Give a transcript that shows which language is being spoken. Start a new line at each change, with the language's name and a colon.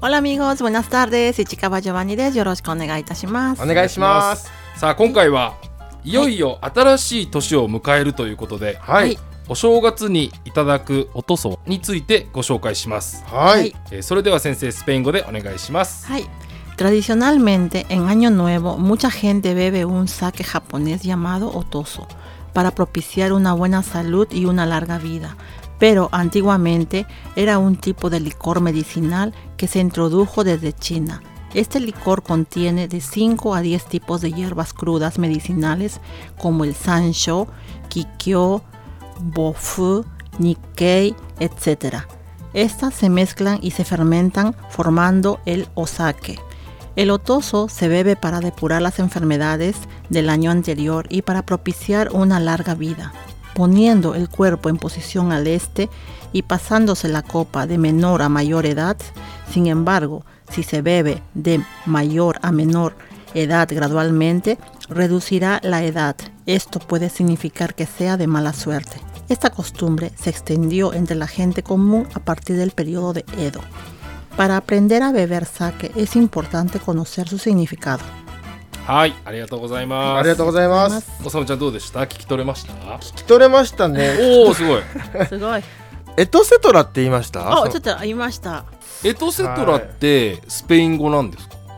Spanish: オラミゴーズボナスタール
Japanese: です。市川ジョバンニです。よろしくお願いいたします。お願いします。さあ今回はいよいよ新しい年を迎えるということで、はい、お正月にいただくおとそについてご紹介します。はい、それでは先生スペイン語でお願いします。はい。
Spanish: Tradicionalmente, en Año Nuevo, mucha gente bebe un sake japonés llamado otoso para propiciar una buena salud y una larga vida. Pero antiguamente era un tipo de licor medicinal que se introdujo desde China. Este licor contiene de 5 a 10 tipos de hierbas crudas medicinales como el sancho, kikyo, bofu, nikkei, etc. Estas se mezclan y se fermentan formando el osake. El otoso se bebe para depurar las enfermedades del año anterior y para propiciar una larga vida, poniendo el cuerpo en posición al este y pasándose la copa de menor a mayor edad. Sin embargo, si se bebe de mayor a menor edad gradualmente, reducirá la edad. Esto puede significar que sea de mala suerte. Esta costumbre se extendió entre la gente común a partir del periodo de Edo. Para aprender a beber sake es importante conocer su significado.
Japanese: はい、ありがとうございます。ありがとうございます。おさむちゃんどうでした？聞き取れました？聞き取れましたね。おーすごいすごい。エトセトラって言いました？あ、ちょっと言いました。エトセトラってスペイン語なんですか？